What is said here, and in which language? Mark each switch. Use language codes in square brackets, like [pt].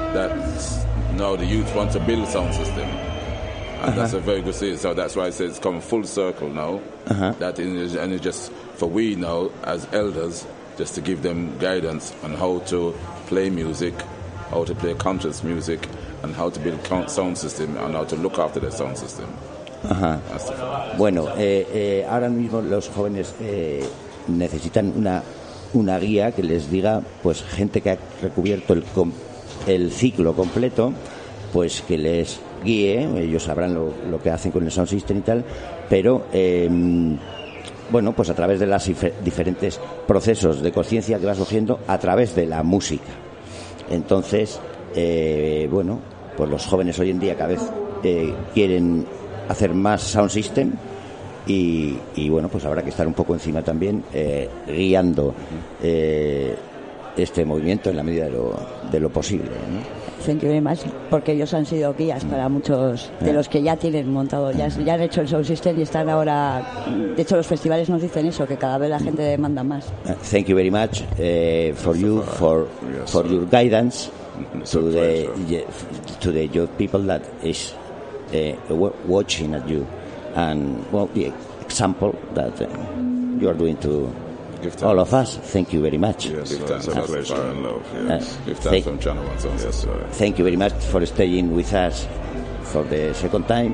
[en] That now the youth want to build sound system. And that's a very good thing. So that's why I say it's come full circle now. And it's just for we now, as elders, just to give them guidance on how to play music, how to play conscious music, and how to build sound system, and how to look after their sound system. [es] Bueno, ahora mismo los jóvenes necesitan una guía que les diga, pues, gente que ha recubierto el ciclo completo, pues que les guíe, ellos sabrán lo que hacen con el sound system y tal, pero bueno, pues a través de los diferentes procesos de conciencia que va surgiendo a través de la música. Entonces, bueno, pues los jóvenes hoy en día cada vez quieren hacer más sound system, y bueno, pues habrá que estar un poco encima también, guiando este movimiento en la medida de lo posible, ¿no? [en] Thank you very much, [es] porque ellos han sido guías para muchos de los que ya tienen montado, ya han hecho el sound system y están ahora. De hecho, los festivales nos dicen eso, que cada vez la gente demanda más. [en] Thank you very much for you, for your guidance to the young people that is watching at you, and well, the example that you are doing to Give all of us, thank you very much. Thank you very much for staying with us for the second time.